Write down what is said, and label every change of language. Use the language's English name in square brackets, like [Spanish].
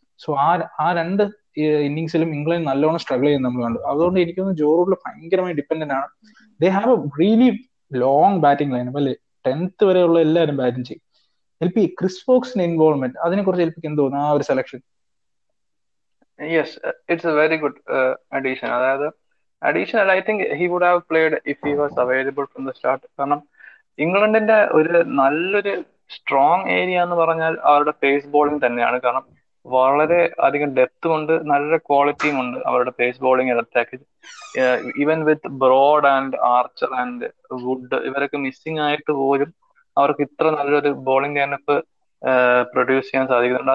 [Malayalam] So ആ ആ രണ്ട് ഇന്നിംഗ്സിലും ഇംഗ്ലണ്ട് നല്ലോണം സ്ട്രഗിൾ ചെയ്യുന്നത് നമ്മൾ കണ്ടു. അതുകൊണ്ട് എനിക്കൊന്ന് ജോ റൂട്ടിൽ ഭയങ്കരമായി ഡിപ്പെൻഡന്റ് ആണ്. [English] they have a really long batting line [Malayalam] അല്ലേ, 10th വരെയുള്ള എല്ലാവരും ബാറ്റിംഗ് ചെയ്യും. എൽ പി ക്രിസ് ഫോക്സിന്റെ ഇൻവോൾവ്മെന്റ് അതിനെ കുറിച്ച് എൽപിക്ക് എന്ത് തോന്നുന്നു ആ ഒരു selection? [English] Yes, it's a very good addition. Addition that I think he would have played if he was available from the start. [Malayalam] കാരണം ഇംഗ്ലണ്ടിന്റെ ഒരു നല്ലൊരു സ്ട്രോങ് ഏരിയ എന്ന് പറഞ്ഞാൽ അവരുടെ പേസ് ബോളിംഗ് തന്നെയാണ്. കാരണം വളരെ അധികം ഡെപ്ത് ഉണ്ട്, നല്ലൊരു ക്വാളിറ്റിയും ഉണ്ട് അവരുടെ pace bowling attack. [English] even with Broad and Archer and Wood [Malayalam] ഇവരൊക്കെ മിസ്സിംഗ് ആയിട്ട് പോലും അവർക്ക് ഇത്ര നല്ലൊരു ബോളിംഗ് ലൈനപ്പ് പ്രൊഡ്യൂസ് ചെയ്യാൻ സാധിക്കുന്നുണ്ട്.